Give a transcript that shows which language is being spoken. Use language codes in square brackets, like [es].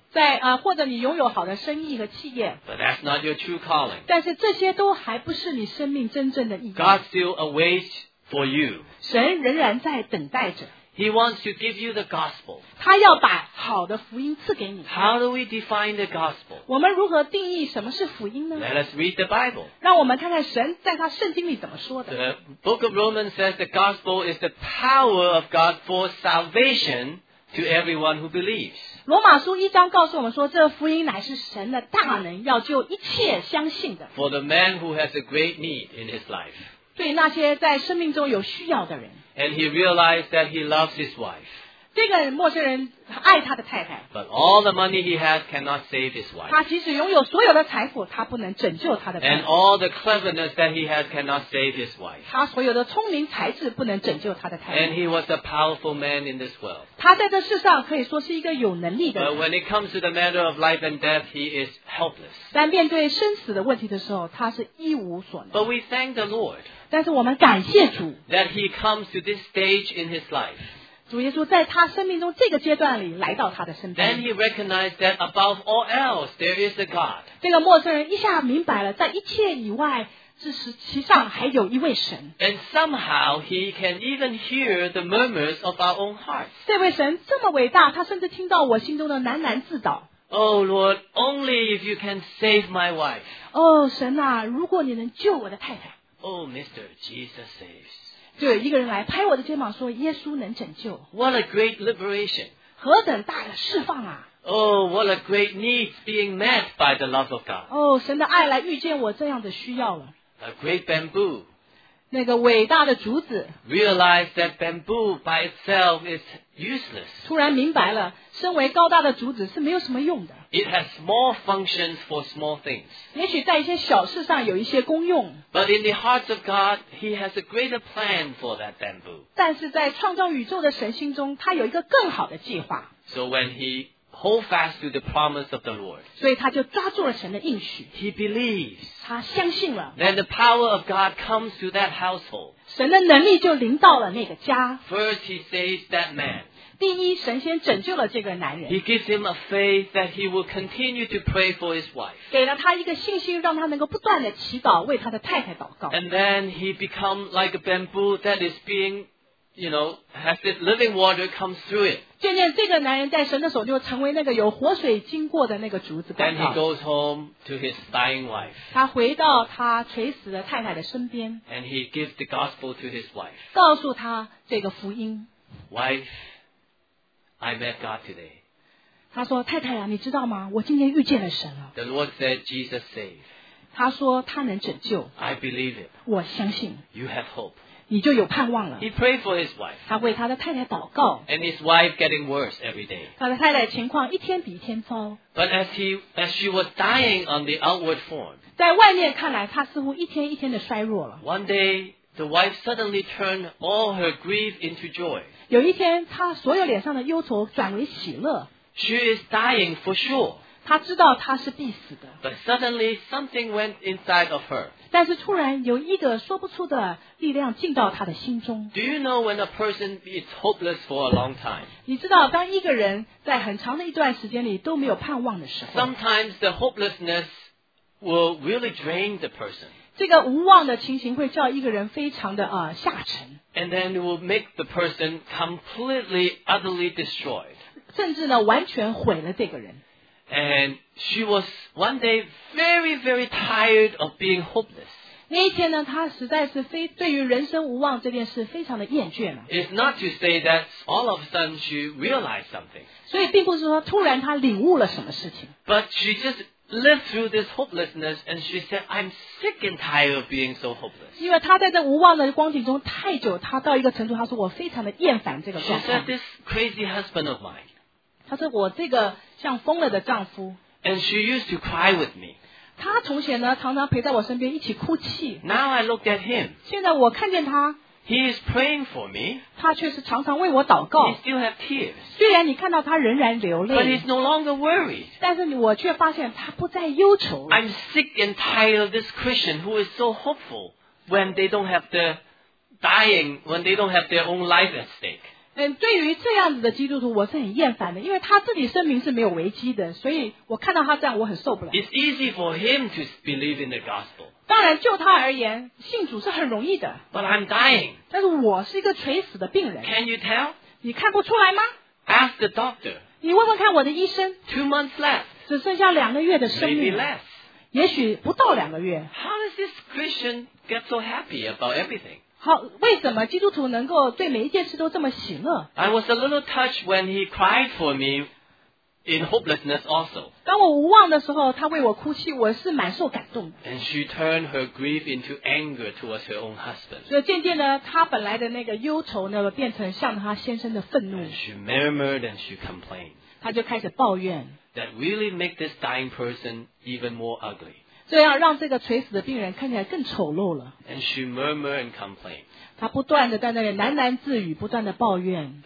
[zh] 在或者你拥有好的生意和企业。 [en] But that's not your true calling. [zh] 但是这些都还不是你生命真正的意义。 [en] God still awaits for you. [zh] 神仍然在等待着。 [en] He wants to give you the gospel. [zh] 他要把好的福音赐给你。 [en] How do we define the gospel? [zh] 我们如何定义什么是福音呢? [en] Let us read the Bible. [zh] 让我们看看神在他圣经里怎么说的。 [en] The book of Romans says the gospel is the power of God for salvation to everyone who believes. [zh] 罗马书一章告诉我们说这福音乃是神的大能要救一切相信的。 [en] For the man who has a great need in his life. [zh] 对那些在生命中有需要的人。 [en] And he realized that he loves his wife. [zh] 这个陌生人爱他的太太。 [en] But all the money he has cannot save his wife. [zh] 他即使拥有所有的财富，他不能拯救他的太太。 [en] And all the cleverness that he has cannot save his wife. [zh] 他所有的聪明才智不能拯救他的太太。 [en] And he was a powerful man in this world. [zh] 他在这世上可以说是一个有能力的人。 [en] But when it comes to the matter of life and death, he is helpless. [zh] 但面对生死的问题的时候，他是一无所能。 [en] But we thank the Lord. [zh] 但是我们感谢主。 [en] That he comes to this stage in his life. [zh] 主耶稣在他生命中这个阶段里来到他的身边。 [en] Then he recognized that above all else there is a God. [zh] 这个陌生人一下明白了，在一切以外，其上还有一位神。 [en] And somehow he can even hear the murmurs of our own hearts. [zh] 这位神这么伟大，他甚至听到我心中的喃喃自导。 [en] Oh Lord, only if you can save my wife. [zh] 哦，神啊，如果你能救我的太太。 [en] Oh, Mr. Jesus saves. [zh] 对，一个人来拍我的肩膀说耶稣能拯救。 [en] What a great liberation. [zh] 何等大的释放啊。 [en] Oh, what a great need being met by the love of God. [zh] 哦，神的爱来遇见我这样的需要了。 [en] A great bamboo. [zh] 那个伟大的竹子。 [en] Realize that bamboo by itself is useless. [zh] 突然明白了，身为高大的竹子是没有什么用的。 [en] It has small functions for small things. [zh] 也许在一些小事上有一些功用。 [en] But in the hearts of God, He has a greater plan for that bamboo. [zh] 但是在创造宇宙的神心中，他有一个更好的计划。 [en] So when he hold fast to the promise of the Lord, [zh] 所以他就抓住了神的应许。 [en] He believes. [zh] 他相信了。 [en] Then the power of God comes to that household. [zh] 神的能力就临到了那个家。 [en] First, he saves that man. [zh] 第一，神先拯救了这个男人。 [en] He gives him a faith that he will continue to pray for his wife. [zh] 给了他一个信心，让他能够不断的祈祷，为他的太太祷告。 [en] And then he become like a bamboo that is being, you know, has the living water comes through it. [zh] 渐渐，这个男人在神的手就成为那个有活水经过的那个竹子。 [en] Then he goes home to his dying wife. [zh] 他回到他垂死的太太的身边。 [en] And he gives the gospel to his wife. [zh] 告诉他这个福音。 [en] Wife. I met God today. [zh] 他说太太啊你知道吗我今天遇见了神了。 [en] The Lord said Jesus saved. [zh] 他说他能拯救。 [en] I believe it. [zh] 我相信。 [en] You have hope. [zh] 你就有盼望了。 [en] He prayed for his wife. [zh] 他为他的太太祷告。 [en] And his wife getting worse every day. [zh] 他的太太情况一天比一天糟。 [en] But as she was dying on the outward form. [zh] 在外面看来他似乎一天一天的衰弱了。 [en] One day, the wife suddenly turned all her grief into joy. [zh] 有一天他所有脸上的忧愁转为喜乐。 [en] She is dying for sure. [zh] 他知道他是必死的。 [en] But suddenly something went inside of her. [zh] 但是突然有一个说不出的力量进到他的心中。 [en] Do you know when a person is hopeless for a long time? [zh] 你知道当一个人在很长的一段时间里都没有盼望的时候。 [en] Sometimes the hopelessness will really drain the person. [zh] 这个无望的情形会叫一个人非常的下沉。 [en] And then it will make the person completely, utterly destroyed. [zh] 甚至呢完全毁了这个人。 [en] And she was one day very, very tired of being hopeless. [zh] 那一天呢她实在是对于人生无望这件事非常的厌倦了。 [en] It's not to say that all of a sudden she realized something. [zh] 所以并不是说突然她领悟了什么事情。 [en] But she justlived through this hopelessness and she said I'm sick and tired of being so hopeless. [zh] 因为她在这无望的光景中太久她到一个程度她说我非常的厌烦这个状态。 [en] She said this crazy husband of mine. [zh] 她说我这个像疯了的丈夫。 [en] And she used to cry with me. [zh] 她从前呢常常陪在我身边一起哭泣。 [en] Now I looked at him. [zh] 现在我看见她。 [en] He is praying for me. [zh] 她却是常常为我祷告。 [en] He still have tears. [zh] 虽然你看到她仍然流泪。 [en] But he's no longer worried. [zh] 但是我却发现她不再忧愁。 [en] I'm sick and tired of this Christian who is so hopeful when they don't have the dying, when they don't have their own life at stake. [zh] 对于这样子的基督徒我是很厌烦的因为她自己生命是没有危机的所以我看到她这样我很受不了。 [en] It's easy for him to believe in the gospel. [zh] 当然就他而言信主是很容易的。 [en] But I'm dying. [zh] 但是我是一个垂死的病人。 [en] Can you tell? [zh] 你看不出来吗? [en] Ask the doctor. [zh] 你问问看我的医生。 [en] Two months left. [zh] 只剩下两个月的生命。 [en] Maybe less. [zh] 也许不到两个月。 [en] How does this Christian get so happy about everything? [zh] 好为什么基督徒能够对每一件事都这么喜乐? [en] I was a little touched when he cried for me in hopelessness also. [zh] 当我无望的时候，她为我哭泣，我是蛮受感动的。 [en] And she turned her grief into anger towards her own husband. [zh] 所以渐渐的，她本来的那个忧愁呢，变成向她先生的愤怒。 [en] And she murmured and she complained. [zh] 她就开始抱怨。 [en] That really make this dying person even more ugly. [zh] 这样让这个垂死的病人看起来更丑陋了。 [en] And she murmured and complained. [zh] 她不断地在那里喃喃自语，不断地抱怨。